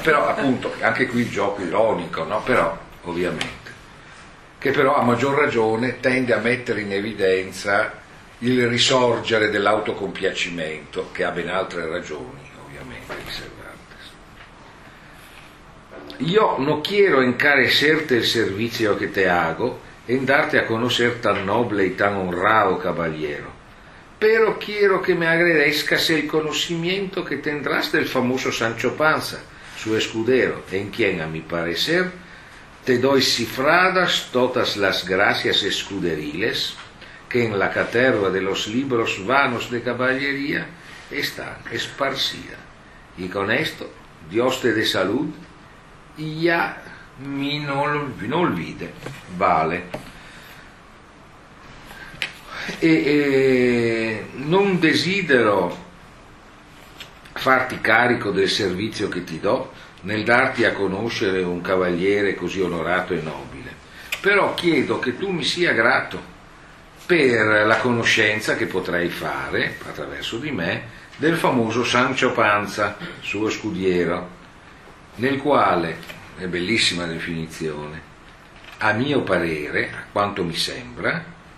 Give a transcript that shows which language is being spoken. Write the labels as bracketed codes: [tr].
[it] Però appunto, anche qui il gioco ironico, no? Però ovviamente, che però a maggior ragione tende a mettere in evidenza il risorgere dell'autocompiacimento, che ha ben altre ragioni, ovviamente, di Cervantes. [es] Io non quiero encarecerte il servizio che te hago, e darte a conocer tan noble y tan honrado caballero, pero quiero que me agradezcas el conocimiento que tendrás del famoso Sancho Panza, su escudero, en quien, a mi parecer, te doy cifradas todas las gracias escuderiles que en la caterva de los libros vanos de caballería están esparcida. Y con esto, Dios te dé salud y ya mi non olvide, vale. [it] E non desidero farti carico del servizio che ti do nel darti a conoscere un cavaliere così onorato e nobile, però chiedo che tu mi sia grato per la conoscenza che potrai fare attraverso di me del famoso Sancho Panza, suo scudiero, nel quale, è bellissima definizione, a mio parere, a quanto mi sembra,